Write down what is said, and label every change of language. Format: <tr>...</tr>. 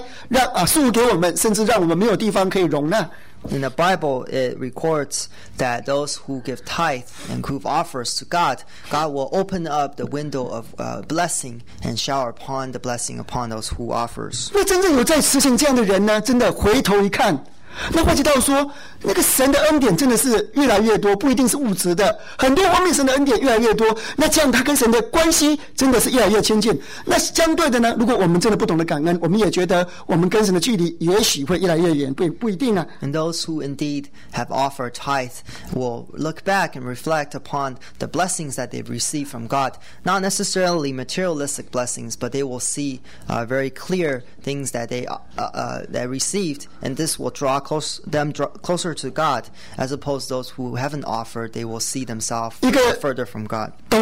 <zh>圣经上应许我们说，人这样做呢，这样试试神呢，把神当大的物奉献给神呢，神要把天上的窗户敞开，让赐给我们，甚至让我们没有地方可以容纳。</zh> <en>In the Bible, it records that those who give tithe and who offer to God, God will open up the window of blessing and shower upon the blessing upon those who offers.</en> <zh>那真正有在实行这样的人呢，真的回头一看。那会计到说，那个神的恩典真的是越来越多，不一定是物质的，很多方面神的恩典越来越多。那这样他跟神的关系真的是越来越亲近。那相对的呢，如果我们真的不懂得感恩，我们也觉得我们跟神的距离也许会越来越远，不一定啊。</zh> <en>And those who indeed have offered tithe will look back and reflect upon the blessings that they've received from God, not necessarily materialistic blessings, but they will see very clear things that they that received, and this will draw closer to God, as opposed to those who haven't offered, they will see themselves further from God.</en>